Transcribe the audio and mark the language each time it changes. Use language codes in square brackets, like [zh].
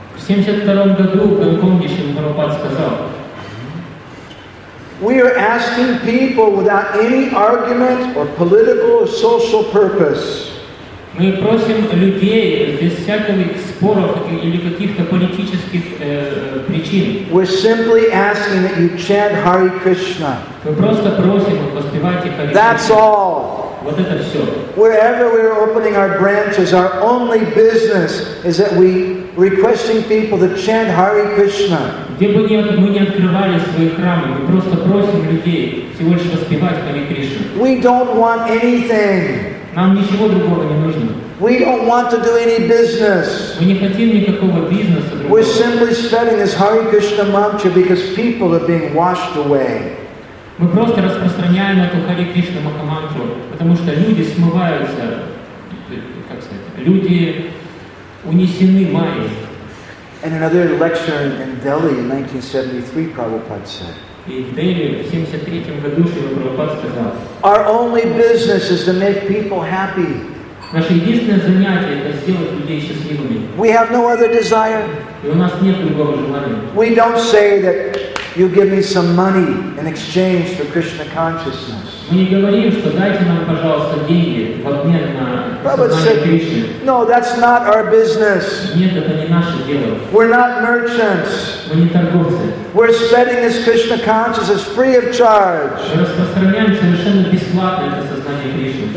[ru] В 72-м году, Гонконге, Шилпрабхупада сказал: [en] We are asking people without any argument or political or social purpose. [ru] Мы просим людей без всяких споров или каких-то политических причин. [en] We're simply asking that you chant Hare Krishna. [ru] Мы просто просим, воспевайте Hare Krishna. [en] That's all. [ru] Вот это все. [en] Wherever we are opening our branches, our only business is that we requesting people to chant Hare Krishna. [ru] Где бы мы ни открывали свои храмы, мы просто просим людей всего лишь воспевать Hare Krishna. [en] We don't want anything. [ru] Нам ничего другого не нужно. [en] We don't want to do any business. [ru] Мы не хотим никакого бизнеса. [en] We're simply studying this Hare Krishna mantra because people are being washed away. [ru] Мы просто распространяем эту Hare Krishna Mahamantra, потому что люди смываются, как сказать, люди унесены майей. [en] And another lecture in Delhi in 1973, Prabhupada said. [ru] И в Дели в 73-м году Шрила Прабхупада сказал. [en] Our only business is to make people happy. [ru] Наше единственное занятие это сделать людей счастливыми. [en] We have no other desire. И у нас нет другого желания. We don't say that. You give me some money in exchange for Krishna consciousness. [ru] Мы не говорим, что дайте нам, пожалуйста, деньги в обмен на сознание Кришны. [en] No, that's not our business. [ru] Нет, это не наше дело. [en] We're not merchants. [ru] Мы не торговцы. [en] We're spreading this Krishna consciousness free of charge. [ru] Мы распространяем совершенно бесплатно это сознание Кришны.